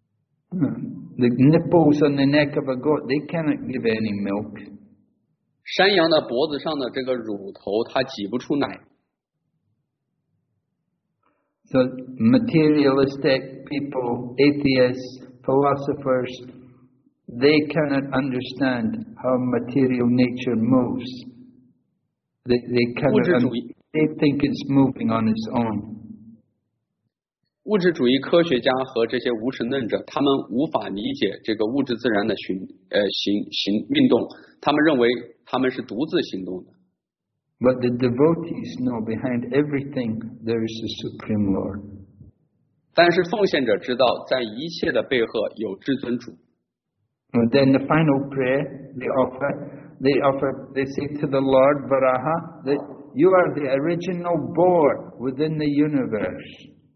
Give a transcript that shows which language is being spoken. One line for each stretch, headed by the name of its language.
English: nipples on the neck of a goat, they cannot give any milk.
Chinese: 山羊的脖子上的这个乳头，它挤不出奶。
English: So materialistic people, atheists, philosophers, they cannot understand how material nature moves. They cannot. They think it's moving on its own.
Chinese: 物质主义科学家和这些无神论者，他们无法理解这个物质自然的行运动，他们认为他们是独自行动的。
English: But the devotees know behind everything there is a supreme Lord.
Chinese: 但是奉献者知道，在一切的背后有至尊主。
English: And then the final prayer they say to the Lord Varaha that you are the original board within the universe.